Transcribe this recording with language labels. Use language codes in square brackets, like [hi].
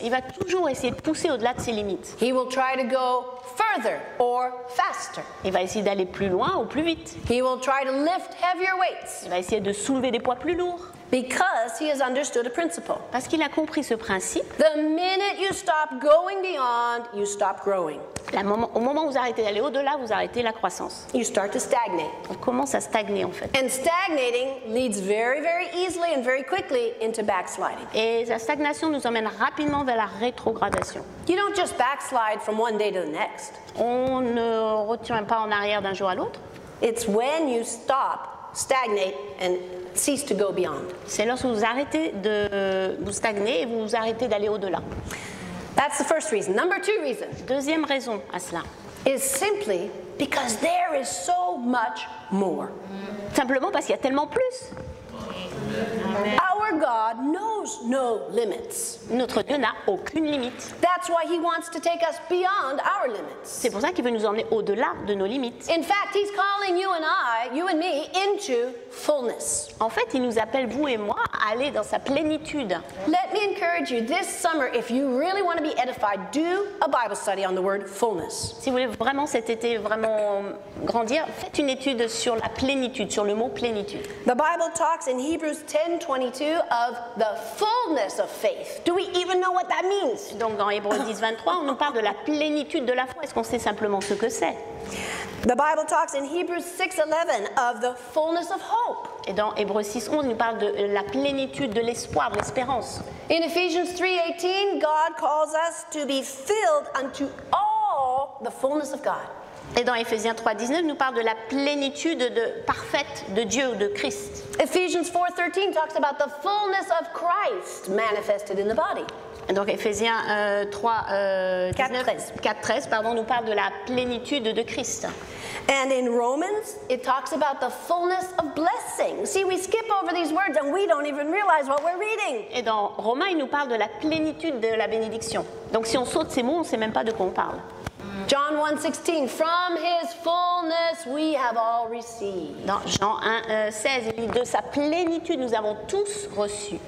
[fr] Il va toujours essayer de pousser au-delà de ses limites. [en] He will try to go further or faster. [fr] Il va essayer d'aller plus loin ou plus vite. [en] He will try to lift heavier weights. [fr] Il va essayer de soulever des poids plus lourds. [en] Because he has understood a principle. [fr] Parce qu'il a compris ce principe. [en] The minute you stop going beyond, you stop growing. [fr] Au moment où vous arrêtez d'aller au-delà, vous arrêtez la croissance. [en] You start to stagnate. [fr] On commence à stagner en fait. [en] And stagnating leads very, very easily and very quickly into backsliding. [fr] Et la stagnation nous emmène rapidement vers la rétrogradation. [en] You don't just backslide from one day to the next. [fr] On ne retient pas en arrière d'un jour à l'autre. [en] It's when you stop, stagnate, and cease to go beyond. [fr] C'est lorsque vous arrêtez de vous stagner et vous arrêtez d'aller au-delà. [en] That's the first reason. Number two reason. [fr] Deuxième raison à cela. [en] Is simply because there is so much more. [fr] Simplement parce qu'il y a tellement plus. [en] Amen. Our God knows no limits. [fr] Notre Dieu n'a aucune limite. [en] That's why he wants to take us beyond our limits. [fr] C'est pour ça qu'il veut nous emmener au-delà de nos limites. [en] In fact, he's calling you and I, you and me, into fullness. [fr] En fait, il nous appelle vous et moi à aller dans sa plénitude. [en] Let me encourage you this summer, if you really want to be edified, do a Bible study on the word fullness. [fr] Si vous voulez vraiment cet été vraiment grandir, faites une étude sur la plénitude, sur le mot plénitude. [en] The Bible talks in Hebrews 10:22 of the fullness of faith. Do we even know what that means? [fr] Donc dans Hébreux 10:23, on nous parle de la plénitude de la foi. Est-ce qu'on sait simplement ce que c'est? [en] The Bible talks in Hebrews 6:11 of the fullness of hope. [fr] Et dans Hébreux 6:11, il nous parle de la plénitude de l'espoir, de l'espérance. [en] In Ephesians 3:18, God calls us to be filled unto all the fullness of God. [fr] Et dans Éphésiens 3:19, nous parle de la plénitude de parfaite de Dieu ou de Christ. [en] Ephesians 4:13 talks about the fullness of Christ manifested in the body. [fr] Et donc Éphésiens 4:13 nous parle de la plénitude de Christ. [en] And in Romans, it talks about the fullness of blessing. See, we skip over these words and we don't even realize what we're reading. [fr] Et dans Romains, il nous parle de la plénitude de la bénédiction. Donc si on saute ces mots, on ne sait même pas de quoi on parle. [en] John 1:16, from his fullness we have all received. [fr] Dans Jean 1:16, il dit de sa plénitude nous avons tous reçu.